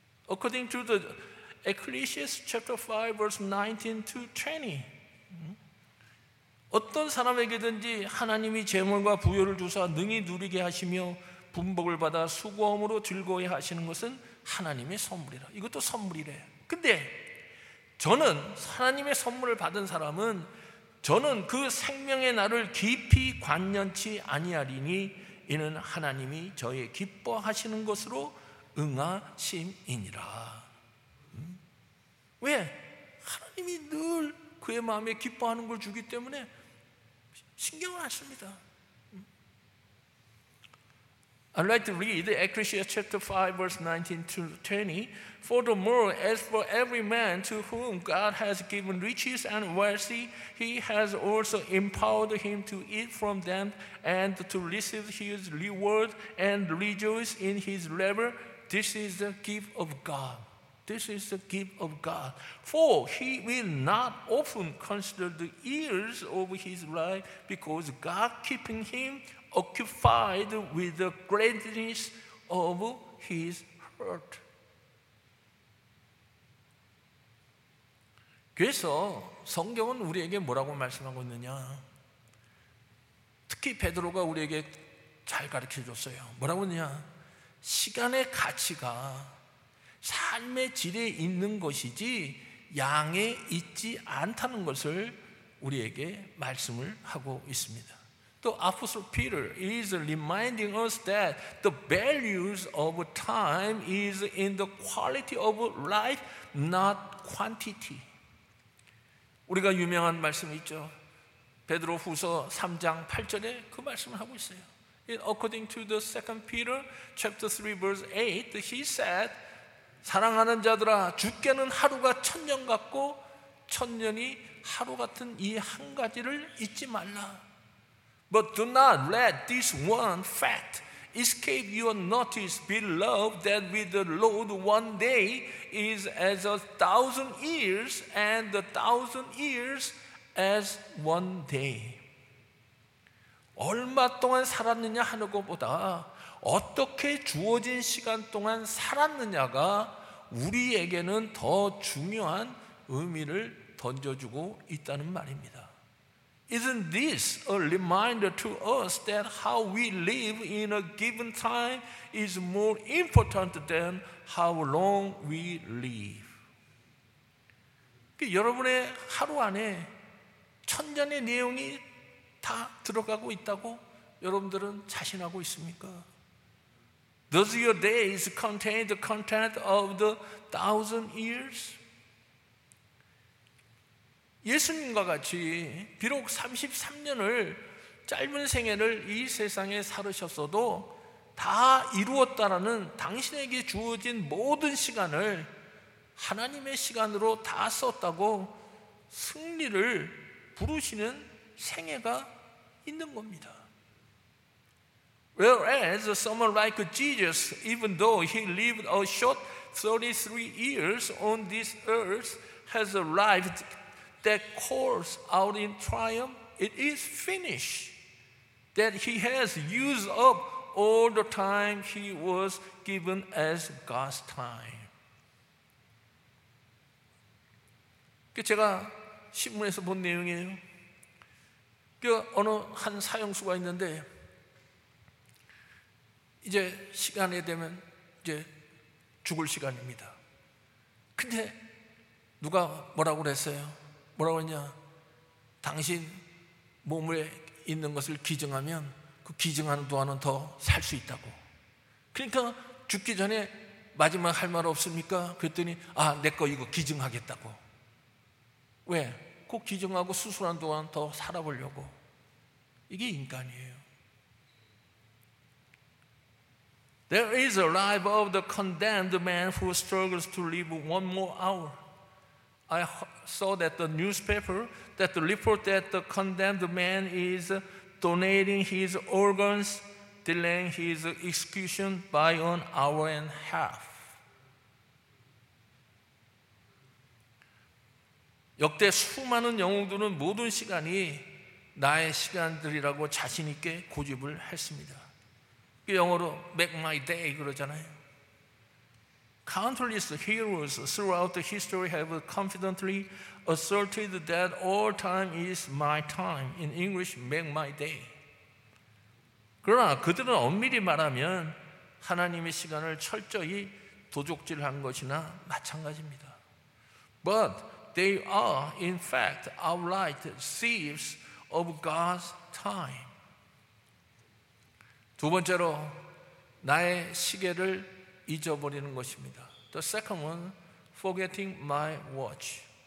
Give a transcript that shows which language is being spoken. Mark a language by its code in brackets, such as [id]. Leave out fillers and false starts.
[en] According to the Ecclesiastes chapter 5, verse 19 to 20. [ko] 어떤 사람에게든지 하나님이 재물과 부여를 주사 능히 누리게 하시며 분복을 받아 수고함으로 즐거워 하시는 것은 하나님의 선물이라. 이것도 선물이래. 근데 저는 하나님의 선물을 받은 사람은 저는 그 생명의 날을 깊이 관념치 아니하리니 이는 하나님이 저의 기뻐하시는 것으로 응하심이니라. 왜? 하나님이 늘 그의 마음에 기뻐하는 걸 주기 때문에 신경을 안 씁니다. [en] I'd like to read Ecclesiastes chapter 5, verse 19 to 20. Furthermore, as for every man to whom God has given riches and wealth, he has also empowered him to eat from them and to receive his reward and rejoice in his labor. This is the gift of God. This is the gift of God. For he will not often consider the years of his life because God keeping him occupied with the greatness of his heart. [ko] 그래서 성경은 우리에게 뭐라고 말씀하고 있느냐? 특히 베드로가 우리에게 잘 가르쳐줬어요. 뭐라고 했냐? 시간의 가치가 삶의 질에 있는 것이지 양에 있지 않다는 것을 우리에게 말씀을 하고 있습니다. [en] The Apostle Peter is reminding us that the values of time is in the quality of life, not quantity. [ko] 우리가 유명한 말씀이 있죠. 베드로 후서 3장 8절에 그 말씀을 하고 있어요. [en] According to the 2 Peter chapter 3 verse 8, he said, [ko] 사랑하는 자들아 주께는 하루가 천년 같고 천년이 하루 같은 이 한 가지를 잊지 말라. [en] But do not let this one fact escape your notice, beloved, that with the Lord one day is as a thousand years and a thousand years as one day. [ko] 얼마 동안 살았느냐 하는 것보다 어떻게 주어진 시간 동안 살았느냐가 우리에게는 더 중요한 의미를 던져주고 있다는 말입니다. [en] Isn't this a reminder to us that how we live in a given time is more important than how long we live? [ko] 그러니까 여러분의 하루 안에 천년의 내용이 다 들어가고 있다고 여러분들은 자신하고 있습니까? [en] Does your days contain the content of the thousand years? [ko] 예수님과 같이 비록 33년을 짧은 생애를 이 세상에 살으셨어도 다 이루었다라는 당신에게 주어진 모든 시간을 하나님의 시간으로 다 썼다고 승리를 부르시는 생애가 있는 겁니다. [en] Whereas someone like Jesus, even though he lived a short 33 years on this earth, has a life that calls out in triumph, it is finished, that he has used up all the time he was given as God's time. [ko] 그 제가 신문에서 본 내용이에요. 그 어느 한 사형수가 있는데 이제 시간이 되면 이제 죽을 시간입니다. 근데 누가 뭐라고 그랬어요? 뭐라고 했냐? 당신 몸에 있는 것을 기증하면 그 기증하는 동안은 더 살 수 있다고. 그러니까 죽기 전에 마지막 할 말 없습니까? 그랬더니 아, 내 거 이거 기증하겠다고. 왜? 그 기증하고 수술한 동안 더 살아보려고. 이게 인간이에요. [en] There is a life of the condemned man who struggles to live one more hour. I saw that the newspaper that report that the condemned man is donating his organs, delaying his execution by an hour and a half. [ko] 역대 수많은 영웅들은 모든 시간이 나의 시간들이라고 자신 있게 고집을 했습니다. 영어로 [en] make my day [ko] 그러잖아요. [en] Countless heroes throughout the history have confidently asserted that all time is my time. In English, make my day. [ko] 그러나 그들은 엄밀히 말하면 하나님의 시간을 철저히 도둑질한 것이나 마찬가지입니다. [en] But they are, in fact, outright thieves of God's time. [ko] 두 번째로 나의 시계를 잊어버리는 것입니다. [en] The second one, forgetting my watch.